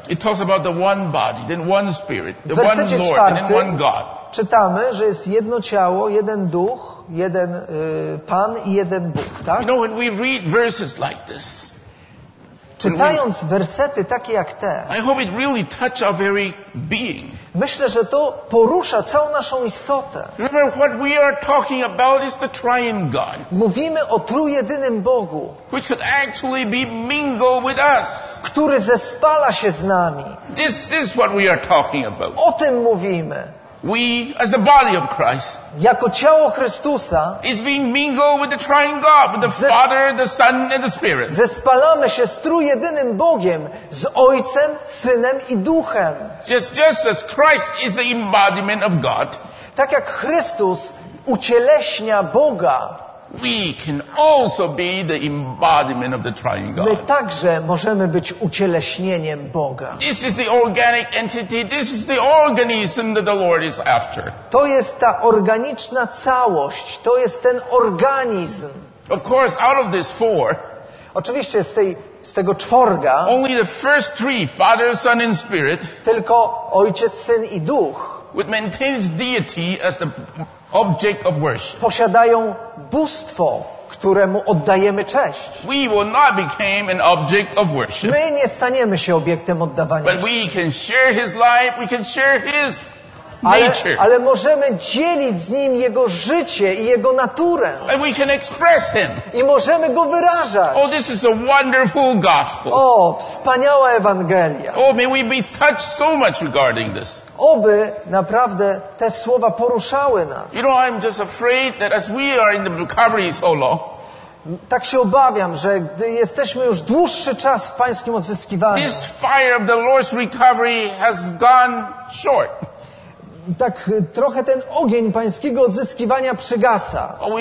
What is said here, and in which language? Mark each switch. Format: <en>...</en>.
<en>It talks about the one body, then one spirit, the one Lord, and then one God.</en> <pl>Czytamy, że jest jedno ciało, jeden duch, jeden Pan i jeden Bóg, tak?</pl> <en>You know, when we read verses like this.</en> <pl>Czytając wersety takie jak te.</pl> <en>I hope it really touch our very being.</en> <pl>Myślę, że to porusza całą naszą istotę.</pl> <en>Remember, what we are talking about is the triune God.</en> <pl>Mówimy o trójjedynym Bogu,</pl> <en>which could actually be mingled with us.</en> <pl>Który zespala się z nami.</pl> <en>This is what we are talking about.</en> <pl>O tym mówimy.</pl> <en>We, as the body of Christ,</en> <pl>jako ciało Chrystusa,</pl> <en>is being mingled with the triune God, with the Father, the Son, and the Spirit.</en> <pl>Zespalamy się z trójjedynym Bogiem, z Ojcem, Synem i Duchem.</pl> <en>Just as Christ is the embodiment of God,</en> <pl>tak jak Chrystus ucieleśnia Boga,</pl> <en>we can also be the embodiment of the triune God.</en> <pl>My także możemy być ucieleśnieniem Boga.</pl> <en>This is the organic entity. This is the organism that the Lord is after.</en> <pl>To jest ta organiczna całość. To jest ten organizm.</pl> <en>Of course, out of this four.</en> <pl>Oczywiście z tej z tego czworga.</pl> <en>Only the first three, Father, Son, and Spirit.</en> <pl>Tylko Ojciec, Syn i Duch.</pl> <en>Would maintain its deity as the object of worship.</en> <pl>Posiadają bóstwo, któremu oddajemy cześć.</pl> <en>We will not become an object of worship.</en> <pl>My nie staniemy się obiektem oddawania</pl> <en>but</en> <pl>czci.</pl> <en>We can share his life, we can share his nature.</en> <pl>Ale możemy dzielić z nim jego życie i jego naturę.</pl> <en>And we can express him.</en> <pl>I możemy go wyrażać.</pl> <en>Oh, this is a wonderful gospel.</en> <pl>O, wspaniała Ewangelia.</pl> <en>Oh, may we be touched so much regarding this.</en> <pl>Oby naprawdę te słowa poruszały nas.</pl> <en>You know, I'm just afraid that as we are in the recovery solo.</en> <pl>Tak się obawiam, że gdy jesteśmy już dłuższy czas w Pańskim odzyskiwaniu.</pl> <en>This fire of the Lord's recovery has gone short.</en> <pl>tak trochę ten ogień pańskiego odzyskiwania przygasa.</pl>